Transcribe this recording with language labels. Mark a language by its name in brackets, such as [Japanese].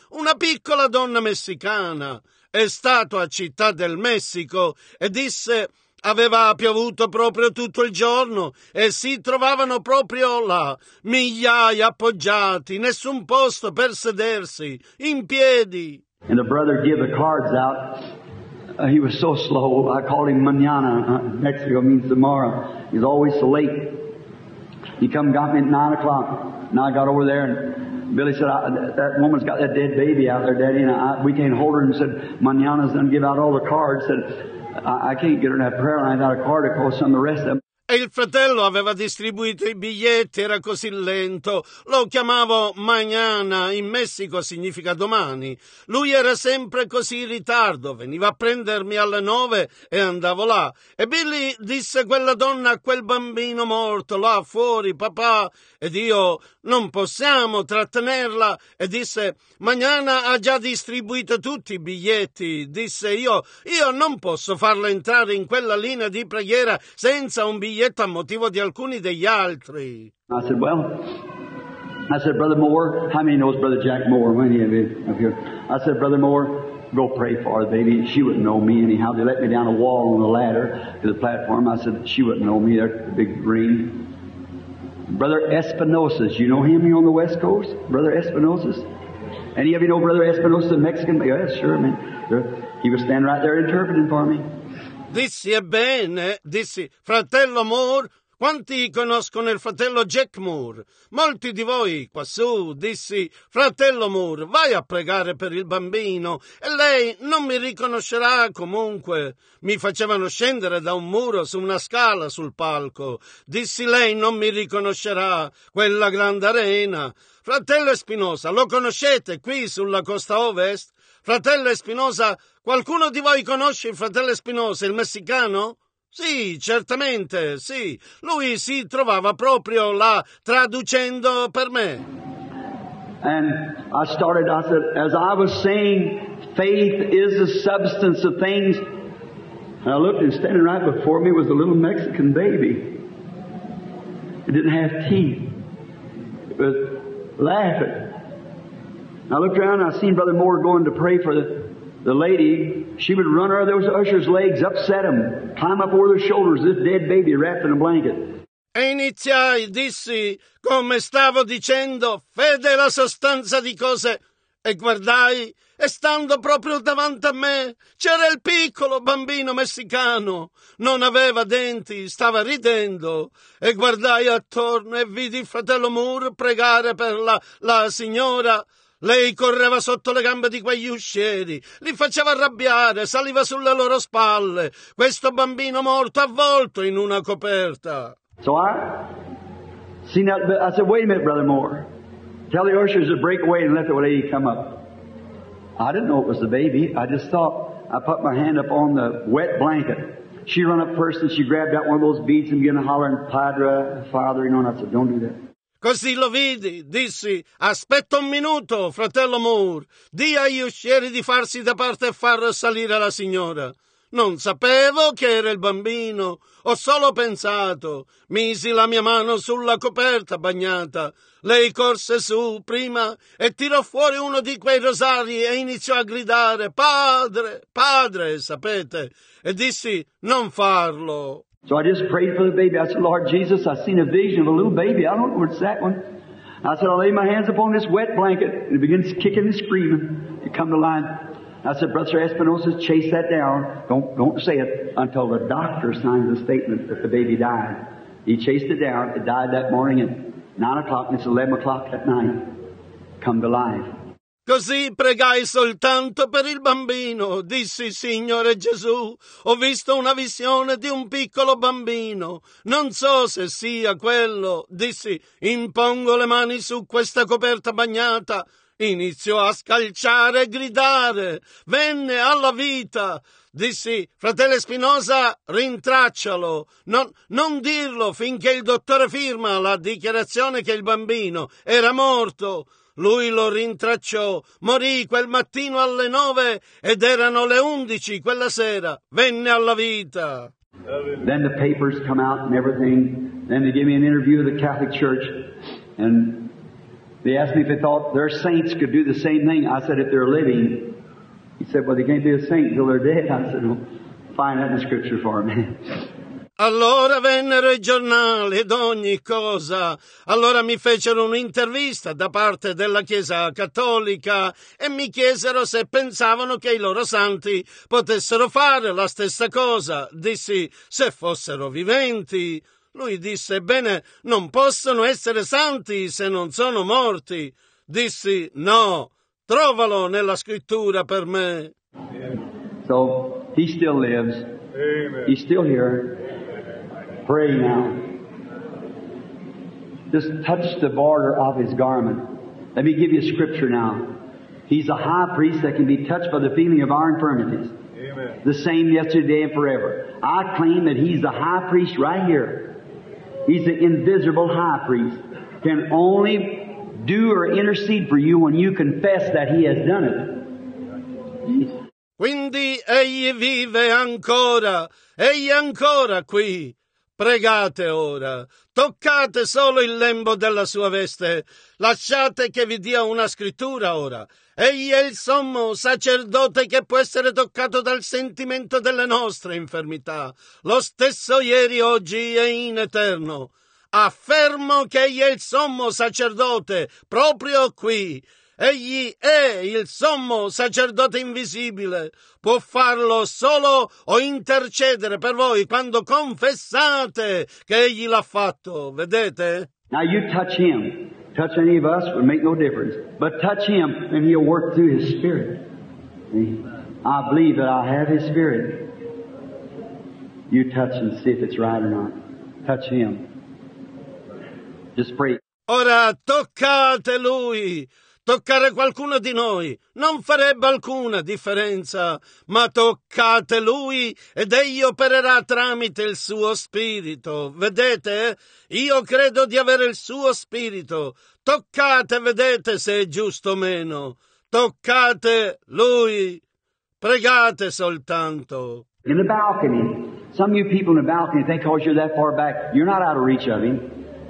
[Italian] Una piccola donna messicana. È stato a Città del Messico e disse aveva piovuto proprio tutto il giorno e si trovavano proprio là, migliaia appoggiati, nessun posto per sedersi, in piedi. [English] And the brother gave the cards out. He was so slow. I called him mañana. Mexico means tomorrow. He's always so late. He come got me at 9 o'clock. Now I got over there and Billy said, that woman's got that dead baby out there, Daddy, and we can't hold her. And said, Manana's going to give out all the cards. Said, I can't get her to have prayer line without a card to call some of the rest of them. [Italian] E il fratello aveva distribuito i biglietti, era così lento. Lo chiamavo mañana, in Messico significa domani. Lui era sempre così in ritardo, veniva a prendermi alle 9 e andavo là. E Billy disse quella donna a quel bambino morto, là fuori, papà, ed io non possiamo trattenerla. E disse, mañana ha già distribuito tutti i biglietti. Disse io non posso farla entrare in quella linea di preghiera senza un biglietto. A motivo di alcuni degli altri. [English] I said, Brother Moore, how many knows Brother Jack Moore? Many of you up here. I said, Brother Moore, go pray for her, baby. She wouldn't know me anyhow. They let me down a wall on a ladder to the platform. I said, she wouldn't know me. They're the big green. Brother Espinosa, you know him here on the West Coast? Brother Espinosa? Any of you know Brother Espinosa, the Mexican? Yeah, sure, man. He was standing right there interpreting for me. [Italian] Dissi, ebbene, dissi, fratello Moore, quanti conoscono il fratello Jack Moore? Molti di voi quassù, dissi, fratello Moore, vai a pregare per il bambino e lei non mi riconoscerà comunque. Mi facevano scendere da un muro su una scala sul palco. Dissi, lei non mi riconoscerà, quella grande arena. Fratello Espinosa, lo conoscete qui sulla costa ovest? Fratello Espinosa, qualcuno di voi conosce il fratello Espinosa, il messicano? Sì, certamente, sì. Lui si trovava proprio là, traducendo per me. [English] And I started, I said, as I was saying, faith is the substance of things. And I looked and standing right before me was a little Mexican baby. It didn't have teeth. It was laughing. I looked around and I seen Brother Moore going to pray for the lady. She would run over those ushers' legs, upset them, climb up over their shoulders, this dead baby wrapped in a blanket. [Italian] E iniziai, dissi, come stavo dicendo, fede è la sostanza di cose. E guardai, e stando proprio davanti a me, c'era il piccolo bambino messicano. Non aveva denti, stava ridendo. E guardai attorno e vidi fratello Moore pregare per la signora. Lei correva sotto le gambe di quegli uscieri, li faceva arrabbiare, saliva sulle loro spalle. Questo bambino morto avvolto in una coperta. [English] So I seen that, but I said, wait a minute, Brother Moore. Tell the ushers to break away and let the lady come up. I didn't know it was the baby. I just thought, I put my hand up on the wet blanket. She ran up first and she grabbed out one of those beads and began hollering, Padre, Father, you know, and I said, don't do that. [Italian] Così lo vidi, dissi, aspetta un minuto, fratello Moore, di agli uscieri di farsi da parte e far salire la signora. Non sapevo chi era il bambino, ho solo pensato. Misi la mia mano sulla coperta bagnata. Lei corse su prima e tirò fuori uno di quei rosari e iniziò a gridare, padre, padre, sapete. E dissi, non farlo. [English] So I just prayed for the baby. I said, Lord Jesus, I seen a vision of a little baby. I don't know what's that one. I said, I lay my hands upon this wet blanket. And it begins kicking and screaming. It come to life. I said, Brother Espinosa, chase that down. Don't say it until the doctor signs the statement that the baby died. He chased it down. It died that morning at 9 o'clock, and it's 11 o'clock at night. Come to life. [Italian] Così pregai soltanto per il bambino, dissi Signore Gesù, ho visto una visione di un piccolo bambino, non so se sia quello, dissi, impongo le mani su questa coperta bagnata, iniziò a scalciare e gridare, venne alla vita, dissi, fratello Spinoza, rintraccialo, non dirlo finché il dottore firma la dichiarazione che il bambino era morto. Lui lo rintracciò, morì quel mattino alle 9 ed erano le 11 quella sera, venne alla vita. [English] Then the papers come out and everything, then they gave me an interview of the Catholic Church and they asked me if they thought their saints could do the same thing. I said, if they're living. He said, well, they can't be a saint until they're dead. I said, well, find that in the scripture for me. [Italian] Allora vennero i giornali ed ogni cosa. Allora mi fecero un'intervista da parte della Chiesa Cattolica e mi chiesero se pensavano che i loro santi potessero fare la stessa cosa. Dissi, se fossero viventi. Lui disse, bene, non possono essere santi se non sono morti. Dissi, no, trovalo nella scrittura per me. [English] So, he still lives. Amen. He's still here. Pray now. Just touch the border of his garment. Let me give you a scripture now. He's a high priest that can be touched by the feeling of our infirmities. Amen. The same yesterday and forever. I claim that he's the high priest right here. He's the invisible high priest. Can only do or intercede for you when you confess that he has done it. [Italian] Quindi egli vive ancora. Egli ancora qui. Pregate ora, toccate solo il lembo della sua veste, lasciate che vi dia una scrittura ora. Egli è il sommo sacerdote che può essere toccato dal sentimento delle nostre infermità, lo stesso ieri, oggi e in eterno. Affermo che egli è il sommo sacerdote, proprio qui. Egli è il sommo sacerdote invisibile. Può farlo solo o intercedere per voi quando confessate che egli l'ha fatto. Vedete? [English] Now you touch him. Touch any of us would make no difference. But touch him and he'll work through his spirit. I believe that I have his spirit. You touch and see if it's right or not. Touch him. Just pray. [Italian] Ora toccate lui. Toccare qualcuno di noi non farebbe alcuna differenza, ma toccate lui ed egli opererà tramite il suo spirito. Vedete? Io credo di avere il suo spirito. Toccate, vedete se è giusto o meno. Toccate lui. Pregate soltanto. [English] In the balcony, some of you people in the balcony think because you're that far back, you're not out of reach of him.